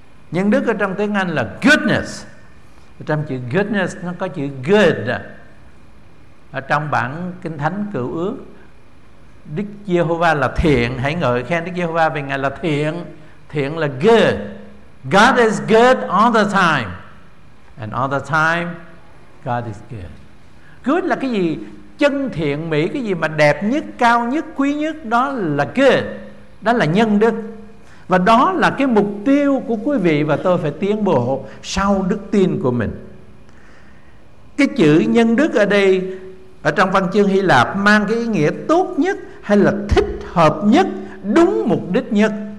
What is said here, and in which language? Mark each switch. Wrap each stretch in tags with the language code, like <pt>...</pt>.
<vi>Nhân đức ở trong tiếng Anh là goodness. Trong chữ goodness nó có chữ good. Ở trong bản Kinh Thánh Cựu Ước, Đức Giê-hô-va là thiện. Hãy ngợi khen Đức Giê-hô-va vì Ngài là thiện. Thiện là good.</vi> <en>God is good all the time. And all the time God is good.</en> <vi>Good là cái gì? Chân thiện mỹ, cái gì mà đẹp nhất, cao nhất, quý nhất, đó là good, đó là nhân đức. Và đó là cái mục tiêu của quý vị và tôi phải tiến bộ sau đức tin của mình. Cái chữ nhân đức ở đây, ở trong văn chương Hy Lạp mang cái ý nghĩa tốt nhất hay là thích hợp nhất, đúng mục đích nhất.</vi>